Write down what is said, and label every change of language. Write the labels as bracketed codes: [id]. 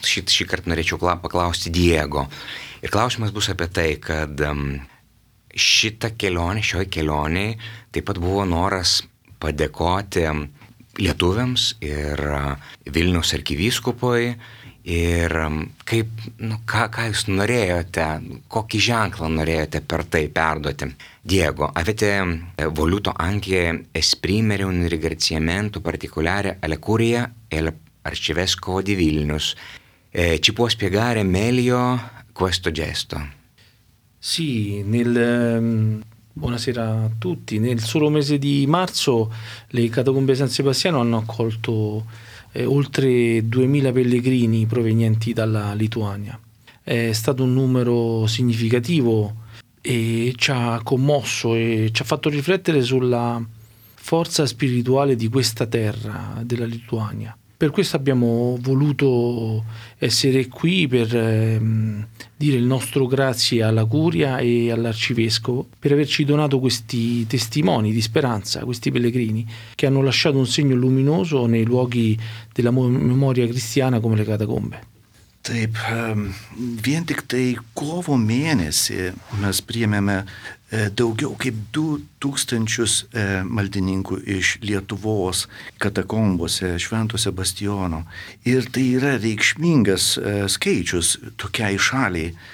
[lt] Šį kartą norėčiau paklausti Diego. Ir klausimas bus apie tai, kad šita kelionė, šioje kelionėje taip pat buvo noras padėkoti lietuviams ir Vilniaus arkivyskupui. Ir kaip, nu, ką jūs norėjote, kokį ženklą norėjote per tai perduoti? [it] Diego, avete voluto anche esprimere un ringraziamento particolare alla curia e all'arcivescovo di Vilnius. Ci può spiegare meglio questo gesto? Sì, buonasera a tutti. Nel solo mese di marzo le catacombe San Sebastiano hanno accolto oltre 2000 pellegrini provenienti dalla Lituania. È stato un numero significativo e ci ha commosso e ci ha fatto riflettere sulla forza spirituale di questa terra, della Lituania. Per questo abbiamo voluto essere qui per dire il nostro grazie alla Curia e all'Arcivescovo per averci donato questi testimoni di speranza, questi pellegrini che hanno lasciato un segno luminoso nei luoghi della memoria cristiana come le catacombe. [lt] Taip, vien tik tai kovo mėnesį mes priėmėme daugiau kaip 2000 maldininkų iš Lietuvos katakombose, Švento Sebastiono. Ir tai yra reikšmingas skaičius tokiai šaliai.